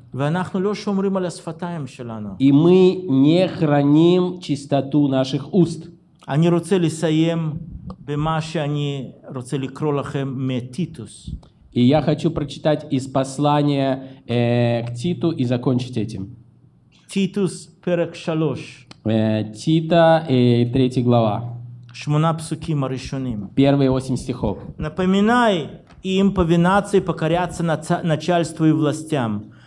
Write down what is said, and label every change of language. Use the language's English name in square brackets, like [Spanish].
[Russian] И мы не храним чистоту наших уст. [Hebrew] אני רוצה לסיים במה שאני רוצה לקרוא לכם מטיטוס. [Russian] И я хочу прочитать из послания к Титу и закончить этим. [Hebrew] Титус, перек шалош. [Russian] Тита, третья глава. [Hebrew] Шмуна псуким аришуним. [Russian] Первые 8 стихов. Напоминай им повинаться и покоряться начальству и властям.